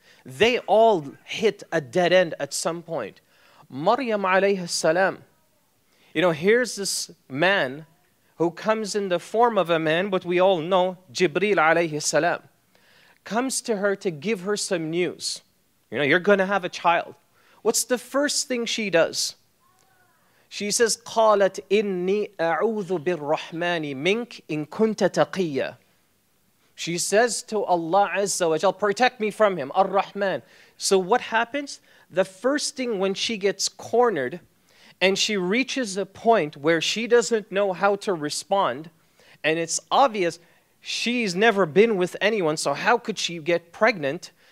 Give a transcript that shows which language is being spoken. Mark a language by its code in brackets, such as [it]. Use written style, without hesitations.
[en] They all hit a dead end at some point. Maryam alayhi salam. You know, here's this man who comes in the form of a man, but we all know Jibril alayhi salam, comes to her to give her some news. You know, you're going to have a child. What's the first thing she does? She says, [ar] قَالَتْ إِنِّي أَعُوذُ بِالرَّحْمَانِ مِنْكَ إِن كُنْتَ تَقِيَّ. [en] She says to Allah Azza wa Jal, protect me from him, Ar-Rahman. So what happens? The first thing when she gets cornered and she reaches a point where she doesn't know how to respond, and it's obvious she's never been with anyone, so how could she get pregnant?